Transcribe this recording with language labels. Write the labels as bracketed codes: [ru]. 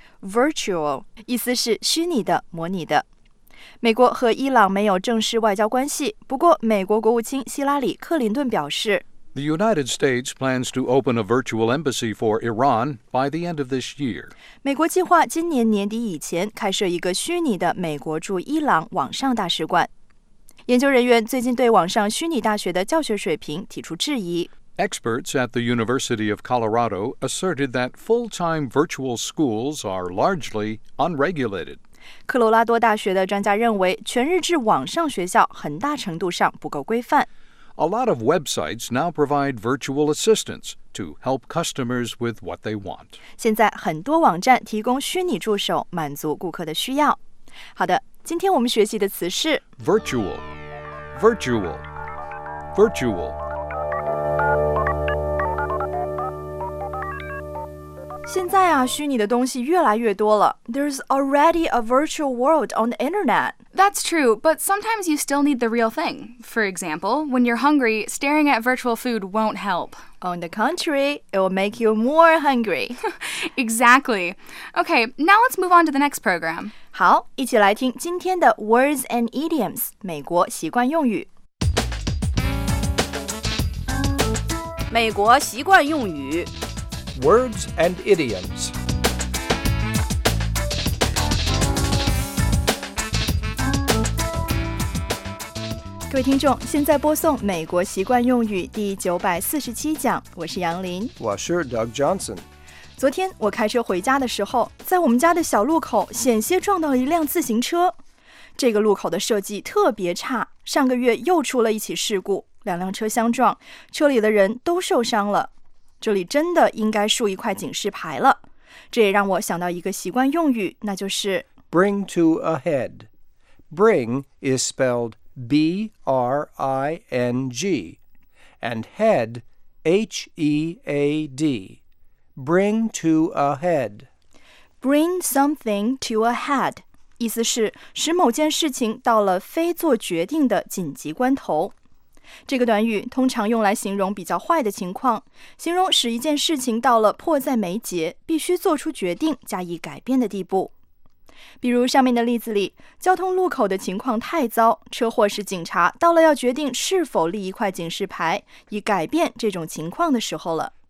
[zh] Virtual, 意思是虚拟的、模拟的。美国和伊朗没有正式外交关系，不过美国国务卿希拉里·克林顿表示 [en] The United States plans to open a virtual embassy for Iran by the end of this year. [zh] 美国计划今年年底以前开设一个虚拟的美国驻伊朗网上大使馆。研究人员最近对网上虚拟大学的教学水平提出质疑。 [en] Experts at the University of Colorado asserted that full-time virtual schools are largely unregulated. [zh] 科罗拉多大学的专家认为，全日制网上学校很大程度上不够规范。 [en] A lot of websites now provide virtual assistants to help customers with what they want. [zh] 现在很多网站提供虚拟助手，满足顾客的需要。好的，今天我们学习的词是 [en] virtual, virtual, virtual. [zh] 现在啊，虚拟的东西越来越多了。 [en] There's already a virtual world on the internet. That's true, but sometimes you still need the real thing. For example, when you're hungry, staring at virtual food won't help. On the contrary, it will make you more hungry. Exactly. Okay, now let's move on to the next program. [zh] 好，一起来听今天的 Words and Idioms, 美国习惯用语。美国习惯用语。 [en] Words and idioms. [zh] 各位听众，现在播送美国习惯用语第947讲，我是杨林，我是 Doug Johnson。昨天我开车回家的时候，在我们家的小路口险些撞到一辆自行车。这个路口的设计特别差，上个月又出了一起事故，两辆车相撞，车里的人都受伤了。这里真的应该竖一块警示牌了。这也让我想到一个习惯用语，那就是 [en] Bring to a head. Bring is spelled B-R-I-N-G and head, H-E-A-D. Bring to a head. Bring something to a head. [zh] 意思是使某件事情到了非做决定的紧急关头。这个短语通常用来形容比较坏的情况，形容使一件事情到了迫在眉睫，必须做出决定加以改变的地步。比如上面的例子里，交通路口的情况太糟，车祸使警察到了要决定是否立一块警示牌以改变这种情况的时候了。